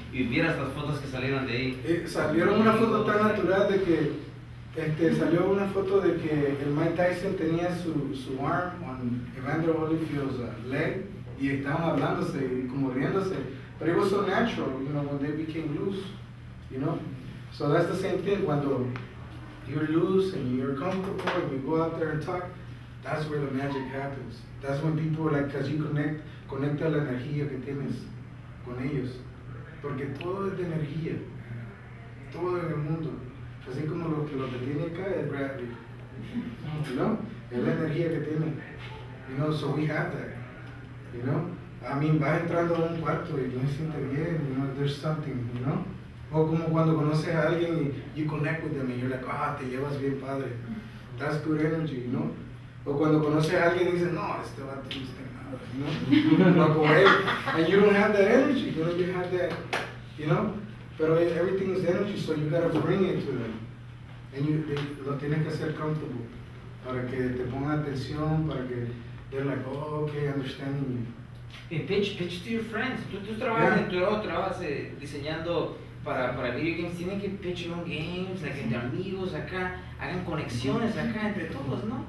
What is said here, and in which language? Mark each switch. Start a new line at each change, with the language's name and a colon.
Spanish: Y vieras las fotos que salieron de ahí. Salieron una foto tan natural de que salió una foto de que el Mike Tyson tenía su arm on Evander Holyfield's leg y estaban hablándose y como riéndose.
English: Pero it was so natural, you know, when they became loose, you know. So that's the same thing, cuando you're loose and you're comfortable and you go out there and talk, that's where the magic happens. That's when people, like, because you connect a la energía que tienes con ellos. Porque todo es de energía, todo en el mundo, así como lo que tiene acá es gravity, you know, es la energía que tiene, you know, so we have that, you know, I mean, vas entrando a un cuarto y no se siente bien, you know, there's something, you know, o como cuando conoces a alguien y you connect with them and you're like, ah, oh, te llevas bien padre, that's good energy, you know, o cuando conoces a alguien y dices, no, este va a tener. You know, and you don't have that energy, you know, you have that, you know, pero everything is energy, so you gotta bring it to them, and you, they, lo tienes que hacer comfortable, para que te ponga atención, para que, they're like, oh, okay, understanding you. Hey, pitch to your friends, tú trabajas, yeah.
Spanish: Trabajas diseñando para video games, tienen que pitch on games, like, entre amigos acá, hagan conexiones acá entre todos, ¿no?